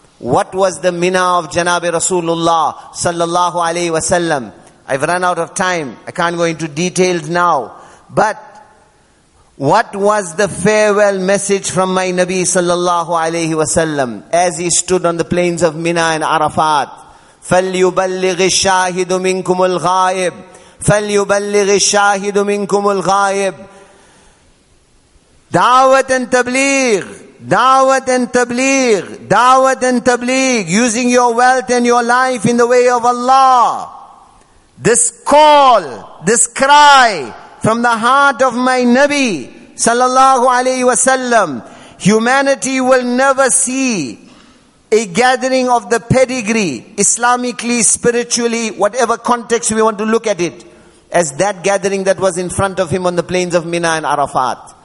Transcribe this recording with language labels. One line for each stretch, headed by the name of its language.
English: What was the Mina of Janabi Rasulullah sallallahu alayhi wa sallam? I've run out of time. I can't go into details now. But what was the farewell message from my Nabi sallallahu alayhi wa sallam as he stood on the plains of Mina and Arafat?
Arabic: فَلْيُبَلِّغِ الشَّاهِدُ مِنْكُمُ الْغَائِبِ فَلْيُبَلِّغِ الشَّاهِدُ مِنْكُمُ الْغَائِبِ
English: Dawat and tabligh. Dawat and tabligh. Dawat and tabligh. Using your wealth and your life in the way of Allah. This call, this cry from the heart of my Nabi sallallahu alayhi wa sallam. Humanity will never see a gathering of the pedigree, Islamically, spiritually, whatever context we want to look at it, as that gathering that was in front of him on the plains of Mina and Arafat.